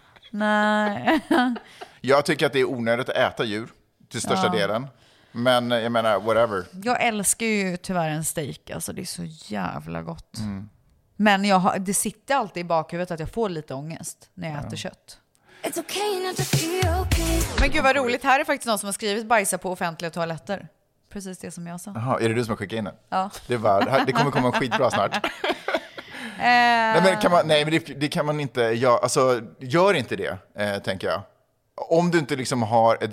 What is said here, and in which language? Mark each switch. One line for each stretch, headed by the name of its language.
Swedish: Nej. Jag tycker att det är onödigt att äta djur till största delen. Men jag menar, whatever. Jag älskar ju tyvärr en steak. Alltså det är så jävla gott. Men det sitter alltid i bakhuvudet att jag får lite ångest när jag äter kött.
English: It's okay not to feel okay.
Swedish: Men gud vad roligt, här är faktiskt någon som har skrivit bajsa på offentliga toaletter. Precis det som jag sa. Jaha, är det du som har skickat in den? Ja. Det kommer komma skitbra snart. Nej men det kan man inte, alltså gör inte det, tänker jag. Om du inte liksom har ett...